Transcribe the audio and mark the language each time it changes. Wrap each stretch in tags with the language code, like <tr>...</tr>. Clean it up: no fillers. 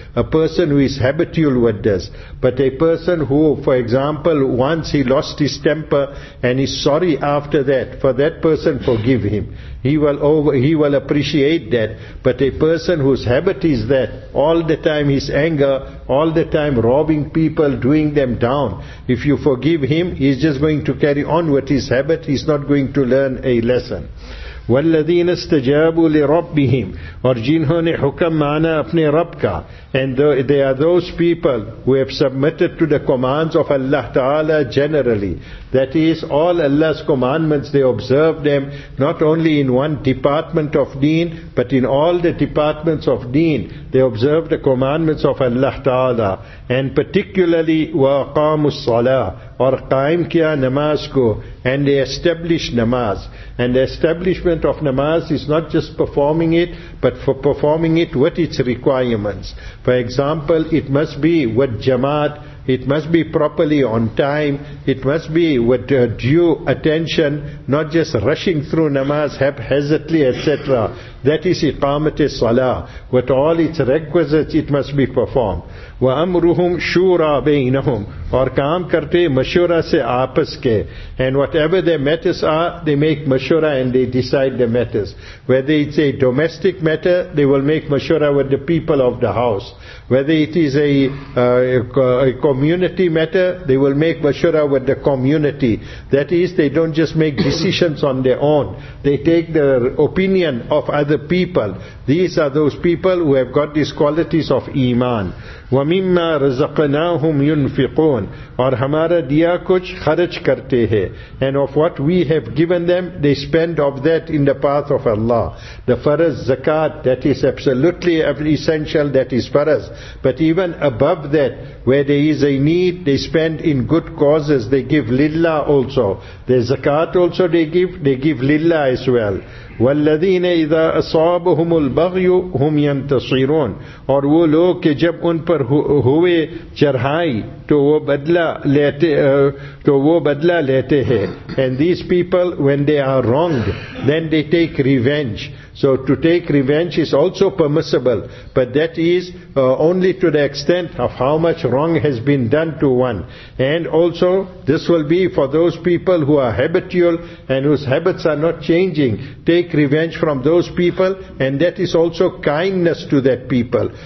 <en>A person who is habitual with this. But a person who, for example, once he lost his temper and is sorry after that, for that person, forgive him. He will appreciate that. But a person whose habit is that, all the time his anger, all the time robbing people, doing them down, if you forgive him, he's just going to carry on with his habit. He's not going to learn a lesson.</en> <ar>وَالَّذِينَ اسْتَجَابُوا لِرَبِّهِمْ</ar> <ur>اور جنہوں نے حکم مانا اپنے رب کا.</ur> <en>And they are those people who have submitted to the commands of Allah Ta'ala generally. That is, all Allah's commandments, they observe them, not only in one department of deen, but in all the departments of deen, they observe the commandments of Allah Ta'ala. And particularly,</en> <ar>وَاقَامُ الصَّلَاةِ</ar> <ur>اور قائم کیا نماز کو.</ur> <en>And they establish namaz. And the establishment of namaz is not just performing it, but for performing it with its requirements. For example, it must be with jamaat, it must be properly on time, it must be with due attention, not just rushing through namaz haphazardly, etc. That is iqamat-e-salah. With all its requisites, it must be performed.</en> <ar>وَأَمْرُهُمْ شُورَى بَيْنَهُمْ</ar> <ur>اور کام کرتے مشورہ سے آپس کے.</ur> <en>And whatever their matters are, they make مشورہ and they decide the matters. Whether it's a domestic matter, they will make مشورہ with the people of the house. Whether it is a community matter, they will make مشورہ with the community. That is, they don't just make decisions on their own. They take the opinion of other people. These are those people who have got these qualities of Iman.</en> <ar>وَمِمَّا رَزَقْنَاهُمْ يُنفِقُونَ</ar> <ur>اور ہمارا دیا کچھ خرچ کرتے ہیں.</ur> <en>And of what we have given them, they spend of that in the path of Allah. The faraz zakat, that is absolutely essential, that is faraz. But even above that, where there is a need, they spend in good causes. They give lillah also. The zakat also they give lillah as well.</en> <ar>وَالَّذِينَ إِذَا أَصَابَهُمُ الْبَغْيُ هُمْ يَنْتَصِرُونَ</ar> <ur>اور وہ لوگ کہ جب ان پر ہوئے چرہائی تو وہ بدلہ لیتے ہیں.</ur> <en>And these people, when they are wronged, then they take revenge. So to take revenge is also permissible, but that is only to the extent of how much wrong has been done to one. And also, this will be for those people who are habitual and whose habits are not changing. Take revenge from those people, and that is also kindness to that people.</en>